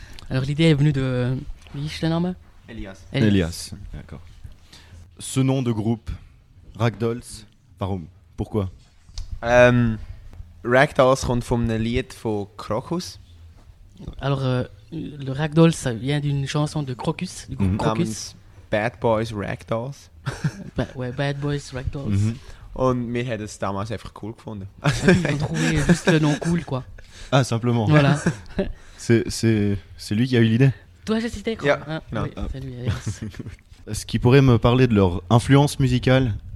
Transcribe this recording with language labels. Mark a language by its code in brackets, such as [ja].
[fr] Alors l'idée est venue de... Elias. Elias, d'accord. Ce nom de groupe, Ragdolls, [de] warum? [fr] Pourquoi? [de] Ragdolls kommt von einem Lied von Krokus. [fr] Alors, le Ragdolls vient d'une chanson de Krokus. Du groupe Krokus. Bad Boys Ragdolls. Bad Boys Ragdolls. Mm-hmm. [de] Und wir haben es damals einfach cool gefunden. [fr] Ils ont trouvé juste le nom cool, quoi. Ah, simplement. Voilà. C'est lui qui a eu l'idée. Toi, j'ai cité quoi? [en] Yeah. [fr] Ah, oui, c'est lui. Est-ce qu'il pourrait me parler de leur influence musicale?